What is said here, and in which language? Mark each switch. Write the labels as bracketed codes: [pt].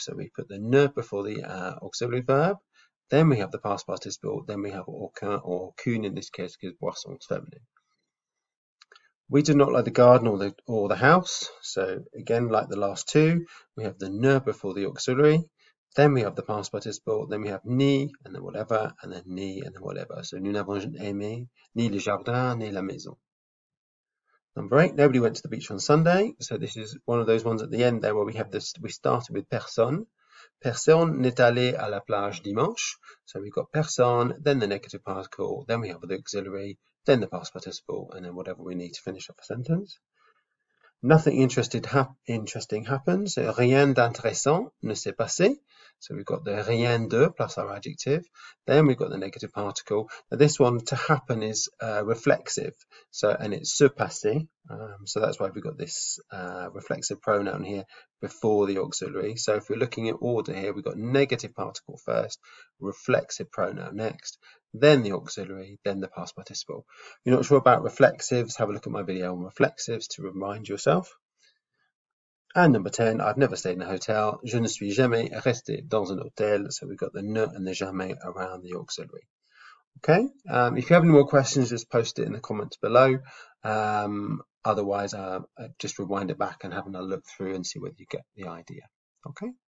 [en] So we put the ne before the auxiliary verb. Then we have the past participle, then we have aucun or qu'une in this case because boisson is feminine. We do not like the garden or the house. So again, like the last two, we have the ne before the auxiliary. Then we have the past participle, then we have ni and then whatever, and then ni and then whatever. [fr] So nous n'avons aimé ni le jardin ni la maison. [en] Number eight, nobody went to the beach on Sunday. So this is one of those ones at the end there where we have this, we started with personne. [fr] Personne n'est allé à la plage dimanche. [en] So we've got personne, then the negative particle, then we have the auxiliary, then the past participle, and then whatever we need to finish up a sentence. Nothing interesting happened. So [fr] rien d'intéressant ne s'est passé. [en] So we've got the rien de plus our adjective. Then we've got the negative particle. Now this one, to happen, is reflexive. So, and it's se passé. So that's why we've got this reflexive pronoun here before the auxiliary. So if we're looking at order here, we've got negative particle first, reflexive pronoun next, then the auxiliary, then the past participle. If you're not sure about reflexives, have a look at my video on reflexives to remind yourself. And number 10, I've never stayed in a hotel. [fr] Je ne suis jamais resté dans un hôtel. [en] So we've got the ne and the jamais around the auxiliary. Okay, if you have any more questions, just post it in the comments below. Otherwise, just rewind it back and have another look through and see whether you get the idea. Okay.